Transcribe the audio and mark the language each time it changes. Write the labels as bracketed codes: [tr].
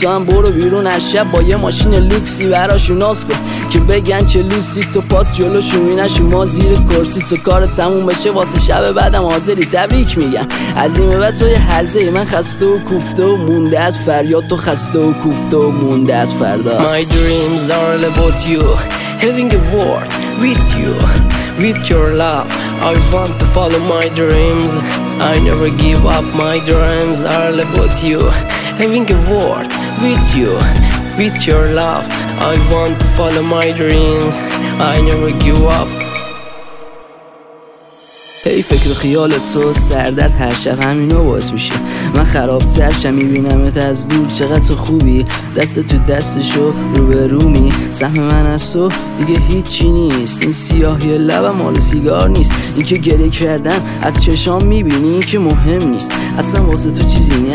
[fa] تو هم برو بیرون هر شب با یه ماشین لوکسی براشون ناز کن، که بگن چه لوسی تو پات جلو شومینش و ما زیر کرسی. تو کار تموم بشه واسه شب بعدم حاضری، تبریک میگم. از این به بعد توی هرزه من خسته و کوفته و مونده از فریاد، تو خسته و کوفته و مونده از فردا. [en] My dreams are all about you, having a word with you, with your love I want to follow my dreams. I never give up, my dreams are all about you, having a word with you, with your love I want to follow my dreams. I never give up. [fa] هی فکر خیال تو سردرد هر شب، همینو باز میشه من خراب ترشم. میبینم ات از دور چقدر تو خوبی، دست تو دستشو روبرومی، سهم من از تو دیگه هیچی نیست، این سیاهی لبم مال سیگار نیست، این که گریه کردم از چشام میبینی که مهم نیست، اصلا واسه تو چیزی نیست.